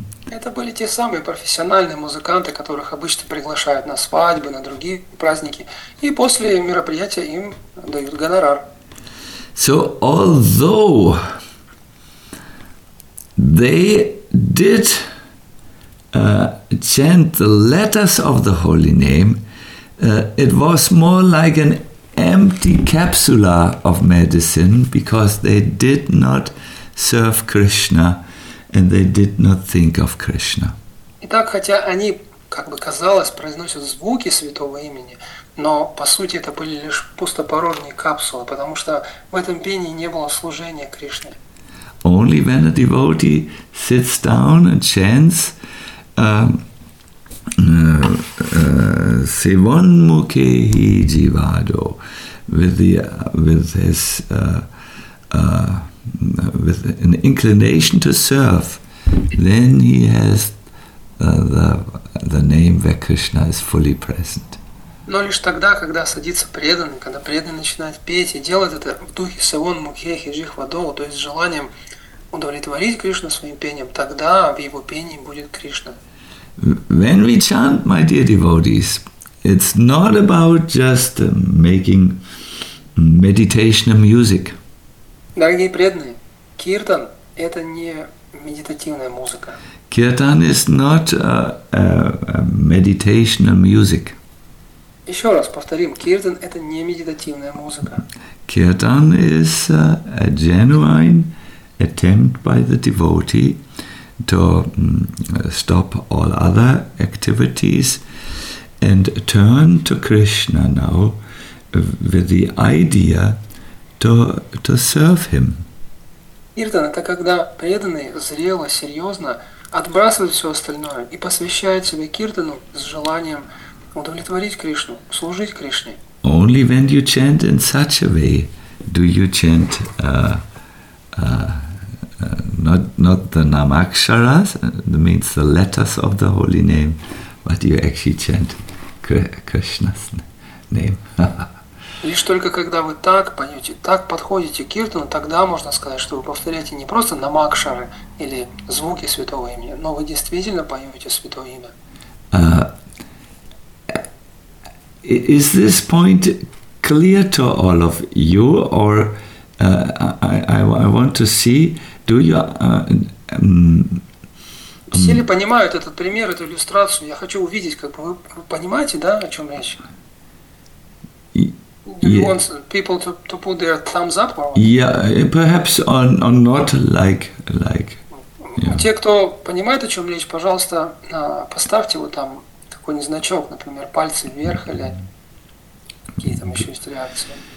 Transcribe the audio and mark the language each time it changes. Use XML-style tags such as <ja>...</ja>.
<ru>Это были те самые профессиональные музыканты, которых обычно приглашают на свадьбы, на другие праздники, и после мероприятия им дают гонорар.</ru> <en>So although they did chant the letters of the holy name, it was more like an empty capsule of medicine because they did not serve Krishna. And they did not think of Krishna.</en> <ru>Итак, хотя они, как бы казалось, произносят звуки святого имени, но по сути это были лишь пустопорожние капсулы, потому что в этом пении не было служения Кришне.</ru> <en>Only when a devotee sits down and chants Sivan Mukhehi Jivado with an inclination to serve, then he has the name where Krishna is fully present.</en> <ru>Но лишь тогда, когда садится преданный, когда преданный начинает петь и делает это в духе Севон Мукхехи Джихвадоу, то есть с желанием удовлетворить Кришну своим пением, тогда в его пении будет Кришна.</ru> <en>When we chant, my dear devotees, it's not about just making meditation and music.</en> <ru>Дорогие преданные, киртан – это не медитативная музыка.</ru> <en>Киртан is not a meditational music.</en> <ru>Еще раз повторим, киртан – это не медитативная музыка.</ru> <en>Киртан is a genuine attempt by the devotee to stop all other activities and turn to Krishna now with the idea to serve him.</en> <ru>Киртан – это когда преданный зрело, серьезно отбрасывает все остальное и посвящает себя киртану с желанием удовлетворить Кришну, служить Кришне.</ru> <en>Only when you chant in such a way do you chant not the Namaksharas, that means the letters of the holy name, but you actually chant Krishna's name.</en> <ru>Лишь только когда вы так поете, так подходите к киртану, тогда можно сказать, что вы повторяете не просто намакшары или звуки святого имени, но вы действительно поете святое имя.</ru> <en>Is this point clear to all of you, or I want to see, do you...</en> <ru>Все ли понимают этот пример, эту иллюстрацию? Я хочу увидеть, как бы вы понимаете, да, о чем речь?</ru> <en>Do you want people to put their thumbs up? Or yeah, perhaps on not like. Yeah.</en> <ru>Те, кто понимает, о чем речь, пожалуйста, поставьте вот там какой-нибудь значок, например, пальцы вверх или какие там еще есть реакции.</ru>